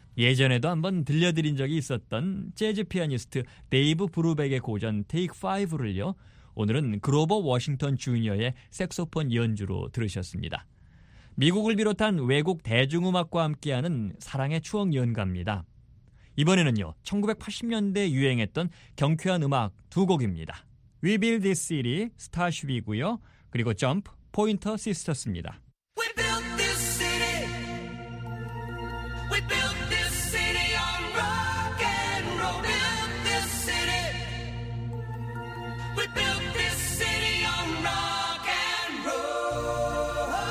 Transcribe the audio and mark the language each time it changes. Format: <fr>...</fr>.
<ko>예전에도 한번 들려드린 적이 있었던 재즈 피아니스트 데이브 브루벡의 고전 테이크 5를요. 오늘은 그로버 워싱턴 주니어의 색소폰 연주로 들으셨습니다. 미국을 비롯한 외국 대중음악과 함께하는 사랑의 추억 연가입니다. 이번에는요, 1980년대 유행했던 경쾌한 음악 두 곡입니다. We Build This City, 스타쉽이고요. 그리고 점프, 포인터 시스터스입니다.</ko> <en>We Build This City. We Build This City on rock and roll. Build This City. We Build This City on rock and roll.</en>